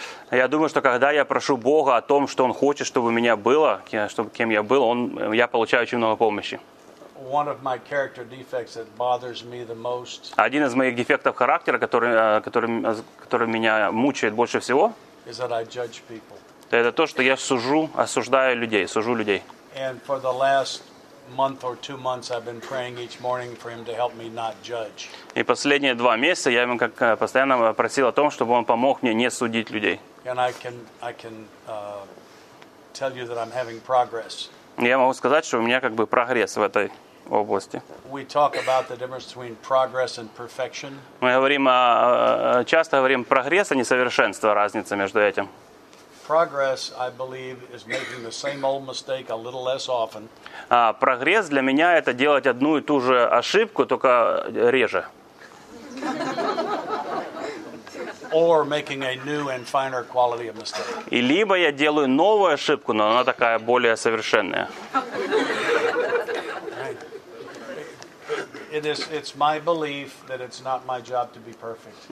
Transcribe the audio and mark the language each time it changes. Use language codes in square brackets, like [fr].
[ru] Я думаю, что когда я прошу Бога о том, что Он хочет, чтобы у меня было, чтобы кем я был, я получаю очень много помощи. [en] One of my character defects that bothers me the most. [ru] Один из моих дефектов характера, который меня мучает больше всего, [en] is that I judge people. [ru] Это то, что я осуждаю людей. [en] And for the last month or two months I've been praying each morning for him to help me not judge. [ru] И последние два месяца я ему как постоянно просил о том, чтобы он помог мне не судить людей. [en] And I can tell you that I'm having progress. [ru] Я могу сказать, что у меня как бы прогресс в этой области. [en] We talk about the difference between progress and perfection. [ru] Мы говорим часто говорим прогресс, а не совершенство, разница между этим. [en] Progress, I believe, is making the same old mistake a little less often. [ru] Прогресс для меня это делать одну и ту же ошибку, только реже. [en] Or making a new and finer quality of mistake. [ru] И либо я делаю новую ошибку, но она такая более совершенная. [en] It's my belief that it's not my job to be perfect.